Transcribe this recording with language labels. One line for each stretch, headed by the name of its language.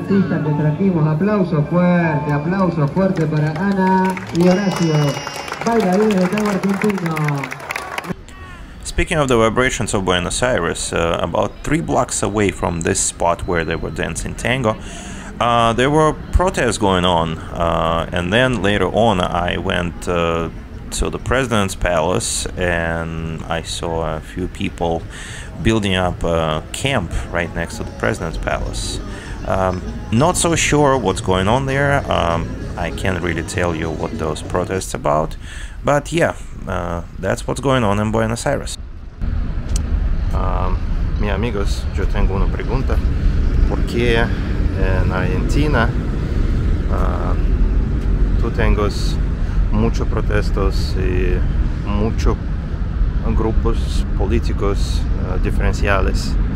Spanish: Aplausos fuerte, aplausos fuerte para Ana y Horacio, bailarines de tango argentino.
English: Speaking of the vibrations of Buenos Aires, about 3 blocks away from this spot where they were dancing tango, there were protests going on, and then later on I went to the president's palace, and I saw a few people building up a camp right next to the president's palace. Not so sure what's going on there. I can't really tell you what those protests about, but yeah, that's what's going on in Buenos Aires.
Spanish: Mi amigos, yo tengo una pregunta. ¿Por qué en Argentina tú tengas muchos protestos y muchos grupos políticos diferenciales?